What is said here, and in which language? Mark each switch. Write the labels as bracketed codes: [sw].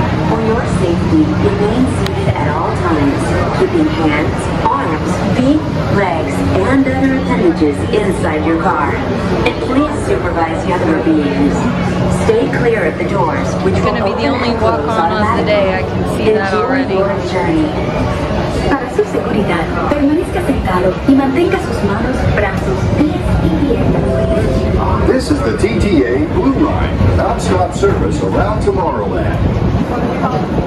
[en] For your safety, remain seated at all times, keeping hands, arms, feet, legs, and other appendages inside your car. And please supervise the other beings. Stay clear of the doors, which will be the only walk on of the day. I can see that already. Enjoy your journey. [es] Para su seguridad, permanezca sentado y mantenga sus manos, brazos, pies y piernas. [en] This is the TTA Blue Line, non-stop service around Tomorrowland.